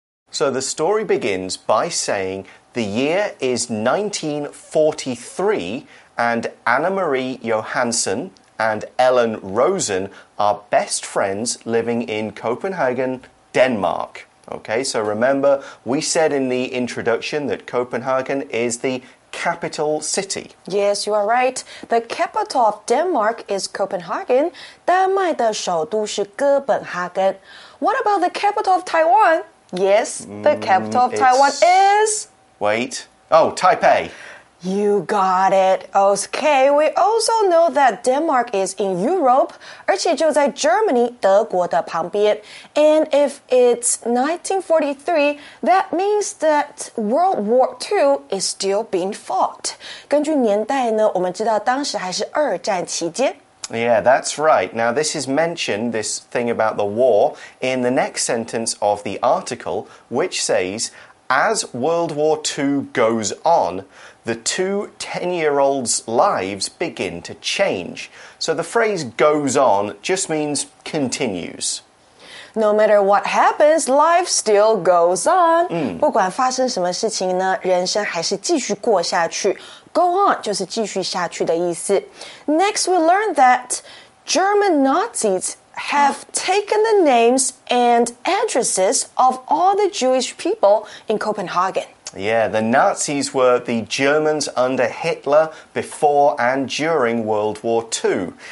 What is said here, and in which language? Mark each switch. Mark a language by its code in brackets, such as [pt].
[en] So the story begins by saying the year is 1943, and Anna Marie Johansson and Ellen Rosen are best friends living in Copenhagen, Denmark. Okay, so remember, we said in the introduction that Copenhagen is the capital city. Yes, you are right. The capital of Denmark is Copenhagen. [zh] 丹麦的首都是哥本哈根. [en] What about the capital of Taiwan? Yes, the capital of Taiwan is... Wait. Oh, Taipei. You got it. Okay, we also know that Denmark is in Europe, [zh] 而且就在 [en] Germany, [zh] 德国的旁边。 [en] And if it's 1943, that means that World War II is still being fought. [zh] 根据年代呢，我们知道当时还是二战期间。 [en] Yeah, that's right. Now, this is mentioned, this thing about the war, in the next sentence of the article, which says, as World War II goes on, the two 10-year-olds' lives begin to change. So the phrase goes on just means continues. No matter what happens, life still goes on.、 Mm. [zh] 不管发生什么事情呢，人生还是继续过下去。 Go on 就是继续下去的意思。 [en] Next, we learn that German Nazis have taken the names and addresses of all the Jewish people in Copenhagen. Yeah, the Nazis were the Germans under Hitler before and during World War II.